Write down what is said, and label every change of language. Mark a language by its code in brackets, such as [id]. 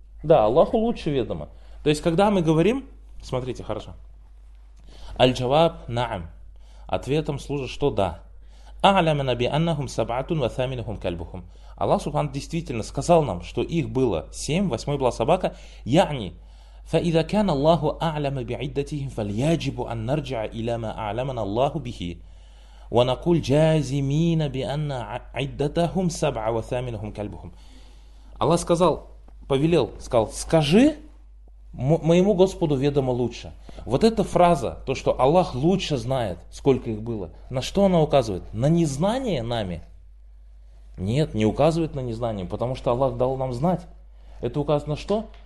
[ru] Да, Аллаху лучше ведомо. То есть, когда мы говорим, смотрите, хорошо. [ar] Аль-джаваб на'ам. [ru] Ответом служит, что да. [ar] А'ляма наби аннахум саб'атун ва саминухум кальбухум. [ru] Аллах Субхан действительно сказал нам, что их было семь, восьмой была собака. [ar] Я'ни, فإذا كان الله أعلم بعدتهم فليجب أن نرجع إلى ما أعلمنا الله به ونقول جازمين بأن عدتهم سبعة وثامنهم كلبهم. [ru] Аллах сказал, повелел, сказал, скажи моему Господу ведомо лучше. Вот эта фраза, то, что Аллах лучше знает, сколько их было, на что она указывает? На незнание нами? Нет, не указывает на незнание, потому что Аллах дал нам знать. Это указывает на что?